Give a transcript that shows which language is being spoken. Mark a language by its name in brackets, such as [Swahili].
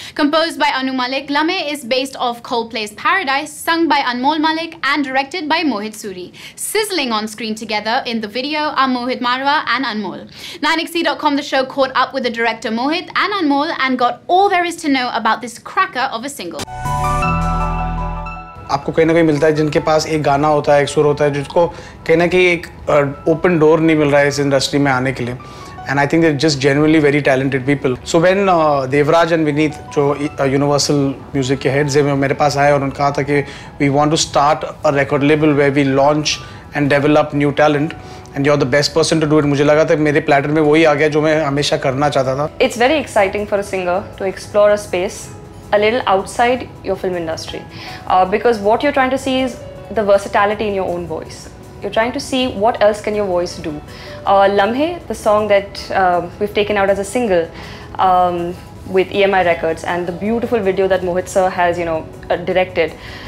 [English] Composed by Anu Malik, Lamhe is based off Coldplay's Paradise, sung by Anmol Malik and directed by Mohit Suri. Sizzling on screen together in the video are Mohit Marwa and Anmol. 9xc.com, the show, caught up with the director Mohit and Anmol and got all there is to know about this cracker of a single. [Hindi] आपको कहीं ना कहीं मिलता है जिनके पास एक गाना होता है एक सुर होता है जिसको कहना कि एक ओपन डोर नहीं मिल रहा है इस इंडस्ट्री में आने के लिए [English] and I think they are just genuinely very talented people so when Devraj and Vineet [Hindi] जो यूनिवर्सल म्यूजिक के हेड्स हैं मेरे पास आए और उन्होंने कहा था कि [English] we want to start a record label where we launch and develop new talent and you are the best person to do it [Hindi] मुझे लगा था मेरे प्लेटर में वही आ गया जो मैं हमेशा करना चाहता था [English] it's very exciting for a singer to explore a space a little outside your film industry because what you're trying to see is the versatility in your own voice you're trying to see what else can your voice do Lamhe the song that we've taken out as a single with EMI Records and the beautiful video that Mohit sir has you know directed